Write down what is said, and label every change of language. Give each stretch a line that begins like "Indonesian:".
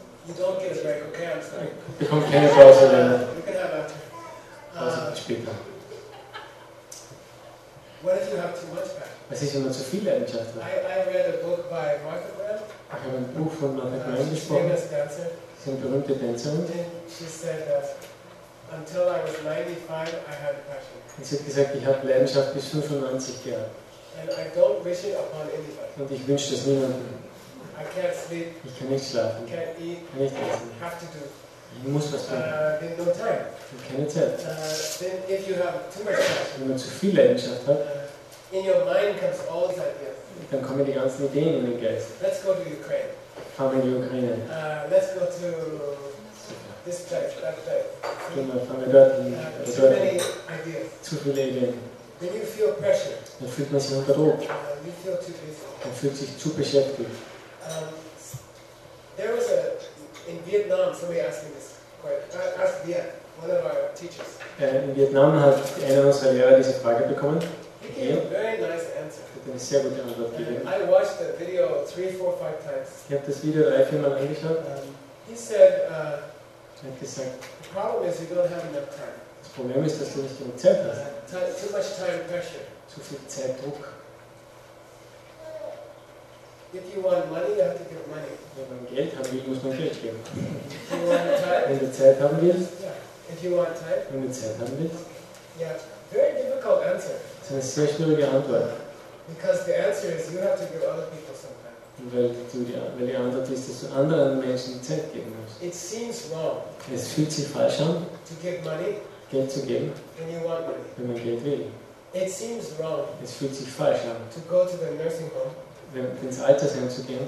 English: You don't get a break, okay? I'm sorry.
German: Ich bekomme keine Pause.
English: You can have a
German: Später.
English: What if you have too much passion?
German: Was ist, wenn man zu viel Leidenschaft hat?
English: I read a book by Martha Graham.
German: Ich habe ein Buch von Martha Graham gesprochen. Sie ist eine berühmte Tänzerin.
English: She said that until I was 95, I had a passion.
German: Sie hat gesagt, ich habe Leidenschaft bis 95 Jahre.
English: And I don't wish it upon anybody.
German: Und ich wünsche das niemandem.
English: I can't sleep.
German: Ich kann nicht schlafen.
English: Can't eat.
German: Kann nicht essen.
English: Have to do.
German: Ich muss was tun.
English: No time.
German: Und keine Zeit.
English: Then if you have too much passion,
German: wenn man zu viel Leidenschaft hat,
English: in your mind comes all these ideas.
German: Dann kommen die ganzen Ideen in den Geist.
English: Let's go to Ukraine.
German: Fahren wir in die Ukraine.
English: Let's go to this place, that place.
German: Zu viele Ideen.
English: When you feel pressure,
German: dann fühlt man sich unter Druck.
English: You feel too busy.
German: Man fühlt sich zu beschäftigt.
English: There was in Vietnam, somebody asked me this question. Asked Viet, one of our teachers.
German: In Vietnam hat einer unserer Lehrer diese Frage bekommen.
English: He gave a very nice answer.
German: Hat eine sehr gute Antwort gegeben.
English: I watched the video 3, 4, 5 times.
German: Ich habe das Video 3, 4 Mal angeschaut.
English: He said,
German: hat gesagt,
English: the problem is you don't have enough time.
German: Das Problem ist, dass du nicht genug Zeit hast.
English: Too much time pressure.
German: Zu viel Zeitdruck.
English: If you want money, you have to give money.
German: Wenn man Geld haben will, muss man Geld geben.
English: If you want time,
German: wenn du Zeit haben willst.
English: Yeah. If you want time,
German: wenn du Zeit haben willst.
English: Yeah. Very difficult answer.
German: Das ist eine sehr schwierige Antwort.
English: Because the answer is you have to give other people some time.
German: Und weil die Antwort ist, dass du anderen Menschen Zeit geben musst.
English: It seems wrong.
German: Es fühlt sich falsch an.
English: To give money.
German: Geld zu geben.
English: When you want money.
German: Wenn man Geld will.
English: It seems wrong.
German: Es fühlt sich falsch an.
English: To go to the nursing home.
German: Ins Altersheim zu gehen,